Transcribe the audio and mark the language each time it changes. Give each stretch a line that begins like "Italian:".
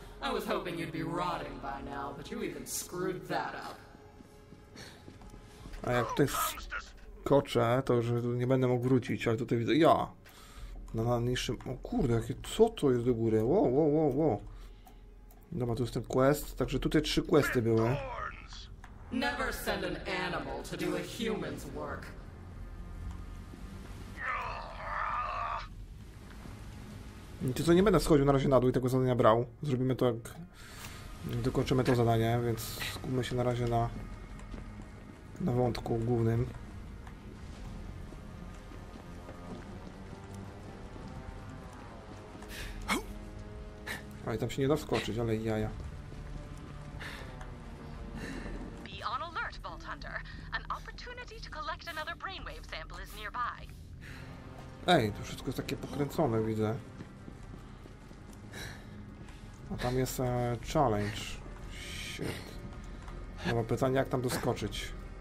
English: I was hoping you'd be rotting by now, but you even screwed that up.
Polish: A jak tutaj skoczę, to już nie będę mógł wrócić, ale tutaj widzę ja. No na niższym. O kurde, jakie co to jest do góry? Wow. Dobra, tu jest ten quest, także tutaj trzy questy były.
English: Never send an animal to do a human's work.
Polish: Ty co, nie będę schodził na razie na dół i tego zadania brał. Zrobimy to jak dokończymy to zadanie, więc skupmy się na razie na wątku głównym. A i tam się nie da wskoczyć, ale jaja.
English: Be on alert, Vault Hunter. An opportunity to collect another brainwave sample is nearby.
Polish: Ej, to wszystko jest takie pokręcone, widzę. A tam jest challenge. Shit. No mam pytanie, jak tam doskoczyć.